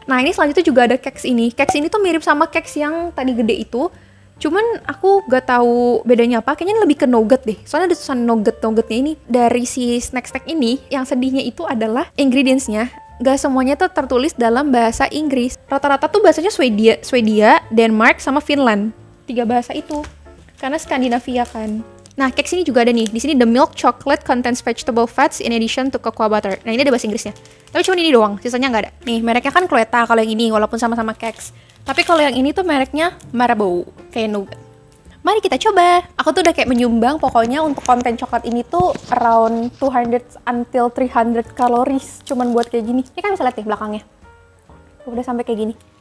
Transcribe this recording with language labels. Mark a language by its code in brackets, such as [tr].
[id] Nah, ini selanjutnya juga ada keks. Ini keks ini tuh mirip sama keks yang tadi gede itu, cuman aku gak tahu bedanya apa, kayaknya ini lebih ke nugget deh, soalnya ada tulisan nugget-nuggetnya ini. Dari si snack stack ini, yang sedihnya itu adalah ingredients-nya gak semuanya tuh tertulis dalam bahasa Inggris. Rata-rata tuh bahasanya Swedia, Denmark, sama Finland. Tiga bahasa itu. Karena Skandinavia kan. Nah, keks ini juga ada nih. [en] Di sini, the milk chocolate contains vegetable fats in addition to cocoa butter. [id] Nah, ini ada bahasa Inggrisnya. Tapi cuma ini doang, sisanya gak ada. Nih, mereknya kan Cloetta kalau yang ini, walaupun sama-sama keks. Tapi kalau yang ini tuh mereknya Marabou. Kayak nougat. Mari kita coba! Aku tuh udah kayak menyumbang pokoknya untuk konten coklat ini tuh [en] around 200 until 300 calories [id] cuman buat kayak gini. Ini kan bisa lihat nih belakangnya. Udah sampai kayak gini.